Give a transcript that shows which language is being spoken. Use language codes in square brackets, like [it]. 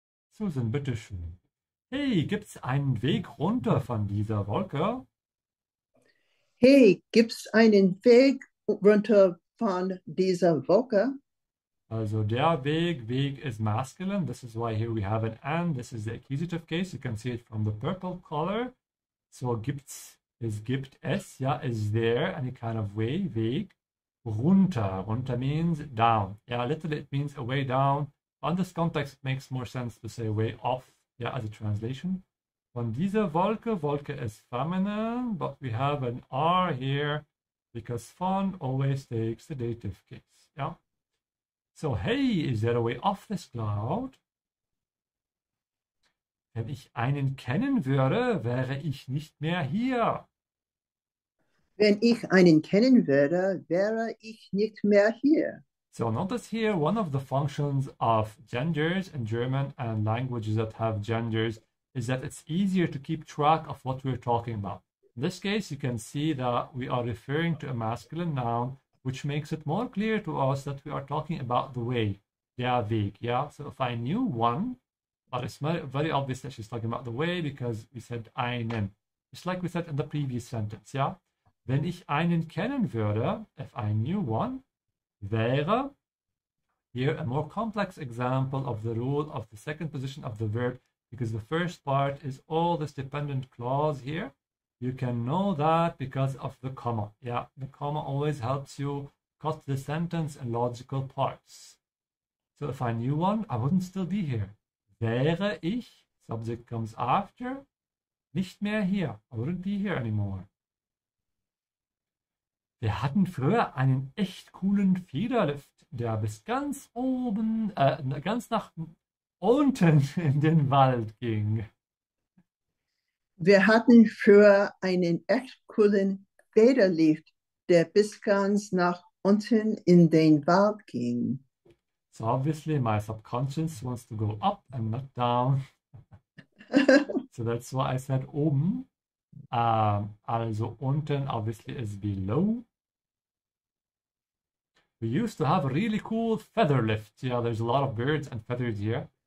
[de] Susan, bitteschön. Hey, gibt's einen Weg runter von dieser Wolke? Hey, gibt's einen Weg runter von dieser Wolke? [en] Also der Weg, Weg is masculine. This is why here we have an N. This is the accusative case. You can see it from the purple color. So gibt's, is gibt es, ja, is there any kind of way, Weg, runter. Runter means down. Yeah, literally it means a way down. But in this context, it makes more sense to say way off, yeah, as a translation. Von dieser Wolke, Wolke is feminine, but we have an R here because von always takes the dative case, yeah. So, hey, is there a way off this cloud? [de] Wenn ich einen kennen würde, wäre ich nicht mehr hier. Wenn ich einen kennen würde, wäre ich nicht mehr hier. [en] So, notice here one of the functions of genders in German and languages that have genders is that it's easier to keep track of what we're talking about. In this case, you can see that we are referring to a masculine noun, which makes it more clear to us that we are talking about the way, der Weg, yeah? So if I knew one, but it's very obvious that she's talking about the way because we said einen. It's like we said in the previous sentence, yeah? [de] Wenn ich einen kennen würde, [en] if I knew one, [de] wäre, [en] here a more complex example of the rule of the second position of the verb because the first part is all this dependent clause here. You can know that because of the comma. Yeah, the comma always helps you cut the sentence in logical parts. So if I knew one, I wouldn't still be here. Wäre ich, subject comes after, nicht mehr hier. I wouldn't be here anymore. [de] Wir hatten früher einen echt coolen Federlift, der bis ganz oben, ganz nach unten in den Wald ging. Wir hatten früher einen echt coolen Federlift, der bis ganz nach unten in den Wald ging. [en] So obviously my subconscious wants to go up and not down. So that's why I said oben. Also unten obviously is below. We used to have a really cool feather lift. Yeah, there's a lot of birds and feathers here.